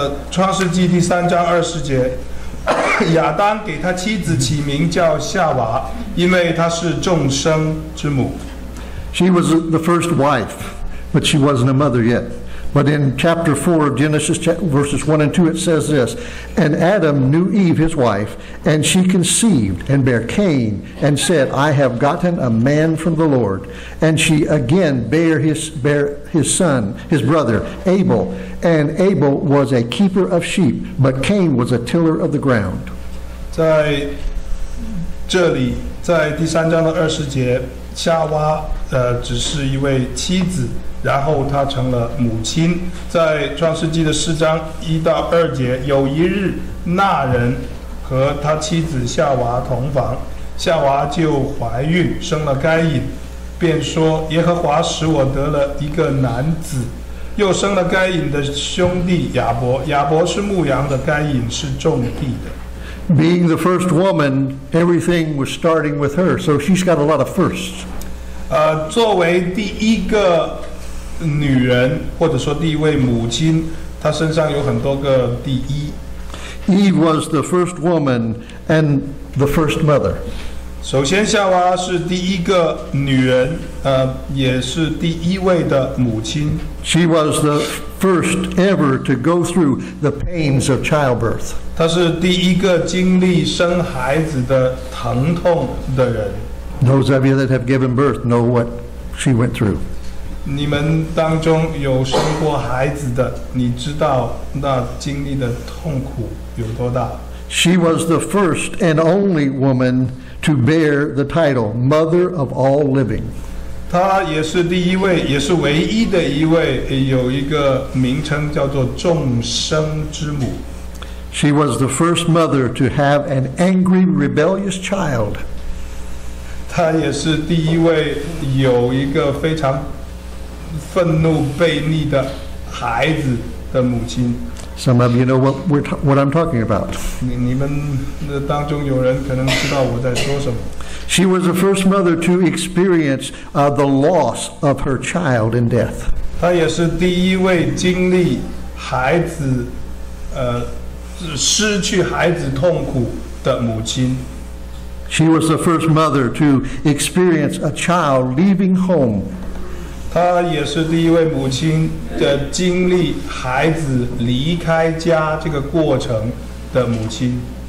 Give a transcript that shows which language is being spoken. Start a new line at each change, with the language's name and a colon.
Chinese: 创世纪第三章二十节，亚当给他妻子起名叫夏娃，因为她是众生之母。
English: She was the first wife, but she wasn't a mother yet. But in chapter 4 of Genesis, verses 1 and 2, it says this, And Adam knew Eve, his wife, and she conceived and bare Cain, and said, I have gotten a man from the Lord. And she again bare his brother, Abel. And Abel was a keeper of sheep, but Cain was a tiller of the ground.
Chinese: 在这里，在第三章的二十节，夏娃只是一位妻子，然后她成了母亲。在创世纪的四章一到二节，有一日，那人和他妻子夏娃同房，夏娃就怀孕，生了该隐，便说：“耶和华使我得了一个男子。” 又生了该隐的兄弟亚伯，亚伯是牧羊的，该隐是种地的。
English: Being the first woman, everything was starting with her, so she's got a lot of firsts.
Chinese: 作为第一个女人，或者说第一位母亲，她身上有很多个第一。
English: Eve was the first woman and the first mother.
Chinese: 首先，夏娃是第一个女人，也是第一位的母亲。
English: She was the first ever to go through the pains of childbirth.
Chinese: 她是第一个经历生孩子的疼痛的人。
English: Those of you that have given birth know what she went through.
Chinese: 你们当中有生过孩子的，你知道那经历的痛苦有多大。
English: She was the first and only woman to bear the title Mother of All Living.
Chinese: 她也是第一位，也是唯一的一位，有一个名称叫做众生之母。
English: She was the first mother to have an angry, rebellious child.
Chinese: 她也是第一位有一个非常愤怒悖逆的孩子的母亲。
English: Some of you know what I'm talking about.
Chinese: 你们当中有人可能知道我在说什么。
English: She was the first mother to experience the loss of her child in death.
Chinese: 她也是第一位经历孩子失去孩子痛苦的母亲。
English: She was the first mother to experience a child leaving home.
Chinese: 她也是第一位母亲的经历孩子离开家这个过程的母亲。